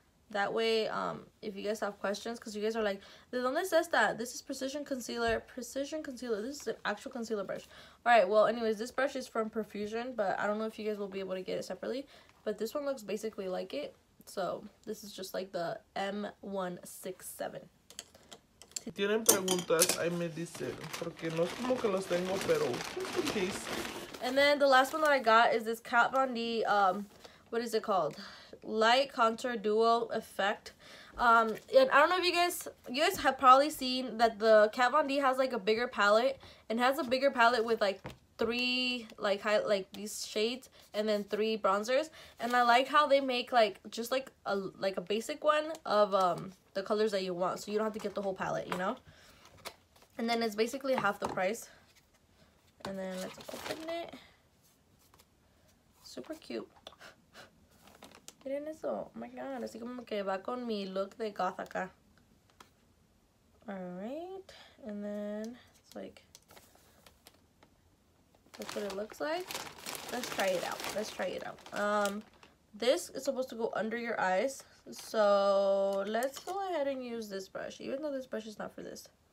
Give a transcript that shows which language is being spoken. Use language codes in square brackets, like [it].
[en] That way, if you guys have questions, because you guys are like, the one that says that this is precision concealer, this is an actual concealer brush. All right well, anyways, this brush is from Perfusion, but I don't know if you guys will be able to get it separately, but this one looks basically like it. So this is just like the M167. [es] Si tienen preguntas, ahí me dicen, porque no es como que los tengo, pero [en] just in case. And then the last one that I got is this Kat Von D, what is it called? Light Contour Duo Effect. And I don't know if you guys have probably seen that the Kat Von D has like a bigger palette, and has a bigger palette with like three, like high, like these shades, and then three bronzers. And I like how they make like just like a basic one of the colors that you want, so you don't have to get the whole palette, you know. And then it's basically half the price. And then let's open it. Super cute. [es] Miren eso. [en] Oh my god, [es] así como que va con mi look de goth acá. [en] All right and then it's like, that's what it looks like. Let's try it out. This is supposed to go under your eyes, so let's go ahead and use this brush, even though this brush is not for this.